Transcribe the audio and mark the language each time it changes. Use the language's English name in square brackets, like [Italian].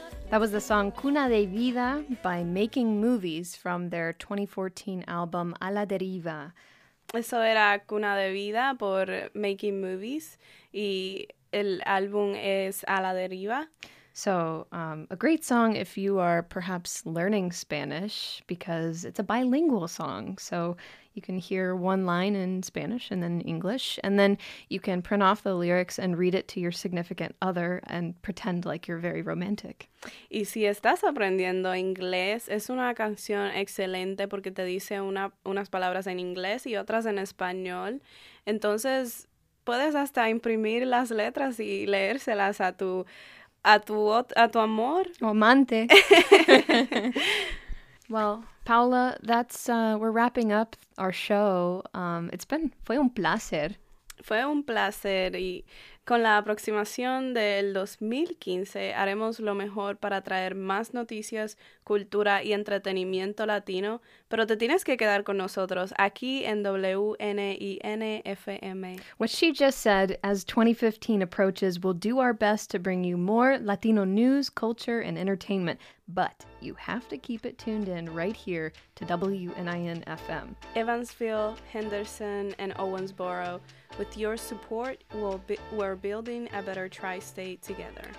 [English] That was the song Cuna de Vida by Making Movies from their 2014 album A la Deriva. [Spanish] Eso era Cuna de Vida por Making Movies, y el álbum es A la Deriva. [English] So, a great song if you are perhaps learning Spanish, because it's a bilingual song. So you can hear one line in Spanish and then English, and then you can print off the lyrics and read it to your significant other and pretend like you're very romantic. [Spanish] Y si estás aprendiendo inglés, es una canción excelente porque te dice unas palabras en inglés y otras en español. Entonces, puedes hasta imprimir las letras y leérselas a tu amor. O amante. [English] Well, Paula, that's we're wrapping up our show. It's been [Spanish] fue un placer y con la aproximación del 2015 haremos lo mejor para traer más noticias, cultura y entretenimiento latino, pero te tienes que quedar con nosotros aquí en WNIN-FM. [English] What she just said, as 2015 approaches, we'll do our best to bring you more Latino news, culture, and entertainment, but you have to keep it tuned in right here to WNIN-FM. Evansville, Henderson, and Owensboro, with your support, we're building a better tri-state together.